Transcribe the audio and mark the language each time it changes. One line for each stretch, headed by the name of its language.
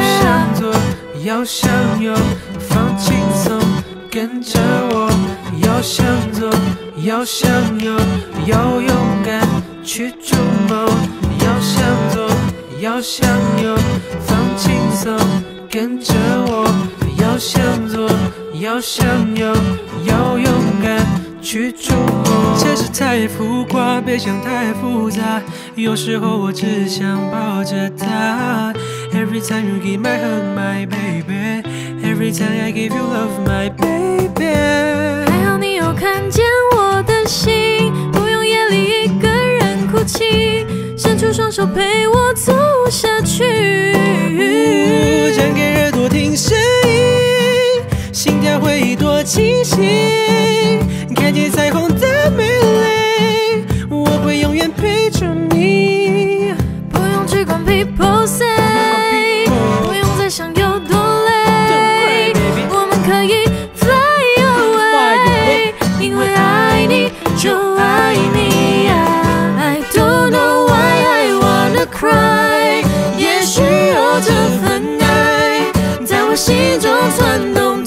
Chinese: 要向左要向右，放轻松跟着我，要向左要向右，要勇敢去逐梦，要向左要向右，放轻松跟着我，要向左要向右，要勇敢去逐梦。城市太浮夸，别想太复杂，有时候我只想抱着她。
English: Every time you give my hug, my baby. Every time I give you love, my baby.
Chinese: 还好你有看见我的心，不用夜里一个人哭泣，伸出双手陪我走下去。睁开耳朵听声音，心跳会多清晰，看见彩虹的美丽，我会永远陪着你。不用去管
English: people say，
Chinese: 不用再想有多累，我们可以
English: fly away，
Chinese: 因为爱你就爱你。
English: I don't know why I wanna cry，
Chinese: 也许有这份爱在我心中窜动。